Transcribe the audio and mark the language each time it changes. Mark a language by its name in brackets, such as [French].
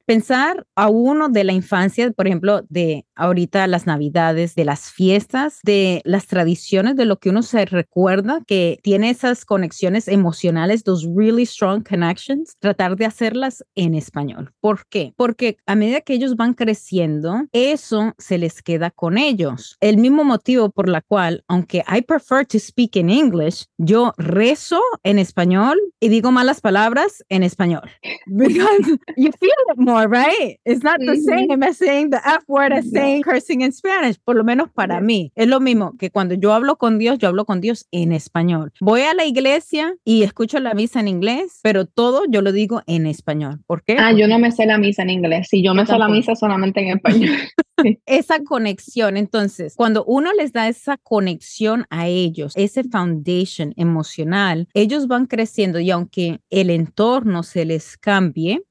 [Spanish] Pensar a uno de la infancia, por ejemplo, de ahorita las navidades, de las fiestas, de las tradiciones, de lo que uno se recuerda, que tiene esas conexiones emocionales, [English] those really strong connections, [Spanish] tratar de hacerlas en español. ¿Por qué? Porque a medida que ellos van creciendo, eso se les queda con ellos. El mismo motivo por la cual, aunque [English] I prefer to speak in English, [Spanish] yo rezo en español y digo malas palabras en español. [English] Because you feel it more, right? It's not the same as saying the F word as saying cursing in Spanish. [Spanish] Por lo menos para mí. Es lo mismo que cuando yo hablo con Dios en español. Voy a la iglesia y escucho la misa en inglés, pero todo yo lo digo en español. ¿Por qué? Yo no me sé la misa en inglés. Si yo me sé la misa solamente en español. Esa conexión. Entonces, cuando uno les da esa conexión a ellos, ese foundation emocional, ellos van creciendo y aunque el entorno se les cambie,